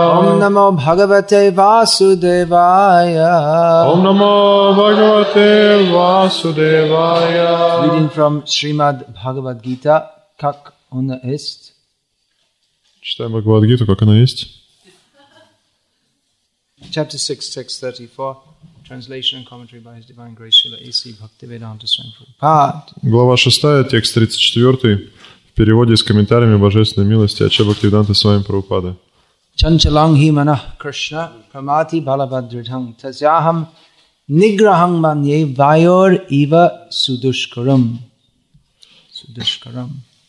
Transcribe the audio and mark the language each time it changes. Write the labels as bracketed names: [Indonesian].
[Sanskrit] Ом намо Бхагавате Васудевая. Ом намо Бхагавате Васудевая. [English] Reading from Srimad Bhagavad Gita, [Russian] как она есть. Читаем Бхагавад-гиту, как она есть. [English] Chapter 6, text 34. Translation and commentary by His Divine Grace Srila A.C. Bhaktivedanta Swami Prabhupada. [Russian] Глава 6, текст 34. В переводе с комментариями Божественной милости Ача Бхактивиданта Свами Прабхупады. [Sanskrit] Чанчаланги манах Кришна Прамати Балабадридхам Тазяхам Ниграхам Манье Вайор Ива Судушкарам. Судушкарам.